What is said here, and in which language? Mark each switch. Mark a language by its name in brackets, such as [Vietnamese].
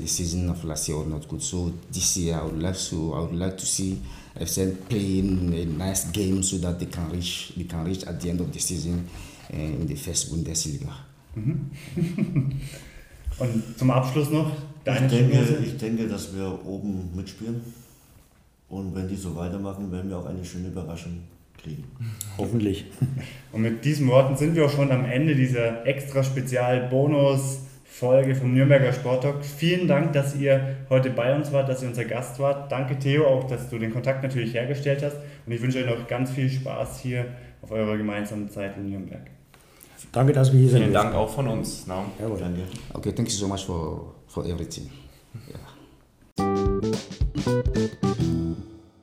[English] The season of last year was not good. So this year, I would like to see FCN playing a nice game so that they can reach at the end of the season in the first Bundesliga. [German] Mm-hmm. Und zum Abschluss noch deine Ich denke, dass wir oben mitspielen und wenn die so weitermachen, werden wir auch eine schöne Überraschung. Hoffentlich. Und mit diesen Worten sind wir auch schon am Ende dieser extra Spezial-Bonus-Folge vom Nürnberger Sporttalk. Vielen Dank, dass ihr heute bei uns wart, dass ihr unser Gast wart. Danke Theo auch, dass du den Kontakt natürlich hergestellt hast. Und ich wünsche euch noch ganz viel Spaß hier auf eurer gemeinsamen Zeit in Nürnberg. Danke, dass wir hier sind. Vielen Dank auch von uns. [English] No. [German] Jawohl, danke. [English] Okay, thank you so much for everything. Yeah.